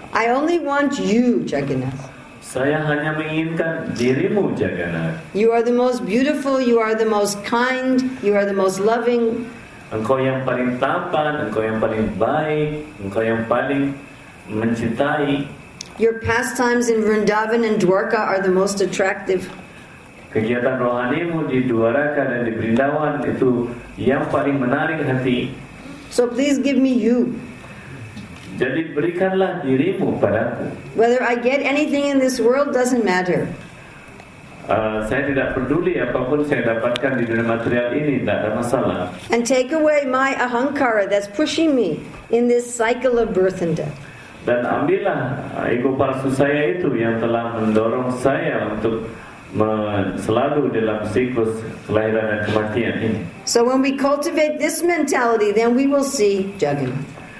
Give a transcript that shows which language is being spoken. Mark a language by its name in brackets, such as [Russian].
[English] I only want you, Jagannath. [Indonesian] Saya hanya menginginkan dirimu, Jagannath. [English] You are the most beautiful, you are the most kind, you are the most loving. [Indonesian] Engkau yang paling tampan, engkau yang paling baik, engkau yang paling mencintai. [English] Your pastimes in Vrindavan and Dwarka are the most attractive. [Indonesian] Kegiatan rohanimu di Dwaraka dan di Vrindavan itu yang paling menarik hati. [English] So please give me you. [Indonesian] Jadi berikanlah dirimu padaku. [English] Whether I get anything in this world doesn't matter. [Indonesian] Saya tidak peduli apapun saya dapatkan di dunia material ini, tidak ada masalah. [English] And take away my ahankara that's pushing me in this cycle of birth and death. [Indonesian] Dan ambillah ego palsu saya itu yang telah mendorong saya untuk selalu dalam siklus kelahiran dan kematian ini. [English] So when we cultivate this mentality, then we will see Jagannath.